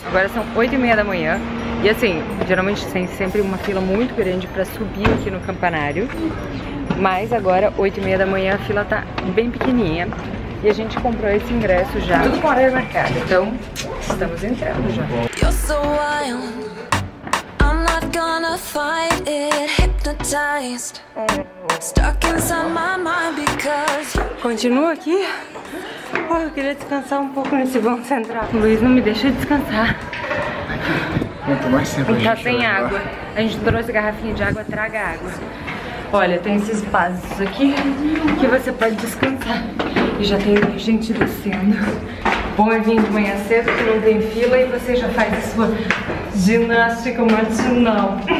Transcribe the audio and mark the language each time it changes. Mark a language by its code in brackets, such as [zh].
[pt] Agora são 8:30 da manhã e, assim, geralmente tem sempre uma fila muito grande para subir aqui no campanário. Mas agora, 8:30 da manhã, a fila tá bem pequenininha e a gente comprou esse ingresso já. Tudo com área marcada. Então, estamos entrando já. [en] You're so wild, I'm not gonna fight it. Hypnotized, stuck inside my mind because. [pt] Continua aqui? Oh, eu queria descansar um pouco nesse vão central. O Luiz não me deixa descansar. Quanto mais tempo a gente tá sem água. A gente trouxe garrafinha de água, traga água. Olha, tem esses vasos aqui que você pode descansar. E já tem gente descendo. Bom é vir de manhã cedo, que não tem fila, e você já faz a sua ginástica matinal.